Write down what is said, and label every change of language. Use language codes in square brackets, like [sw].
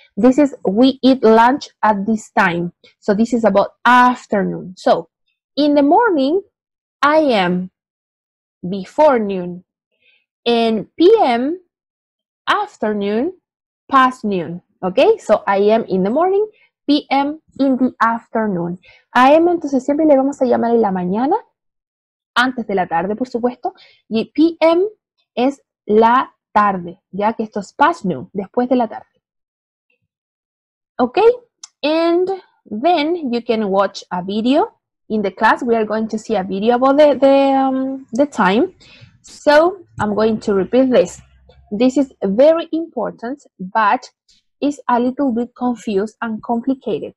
[en] This is, we eat lunch at this time. So, this is about afternoon. So, in the morning, AM, before noon, and PM, afternoon, past noon, okay? So, AM in the morning, PM in the afternoon. [es] AM, entonces siempre le vamos a llamar en la mañana, antes de la tarde, por supuesto, y PM es la tarde, ya que esto es [en] past noon, [es] después de la tarde. [en] Okay, and then you can watch a video. In the class, we are going to see a video about the time. So, I'm going to repeat this. This is very important, but it's a little bit confused and complicated.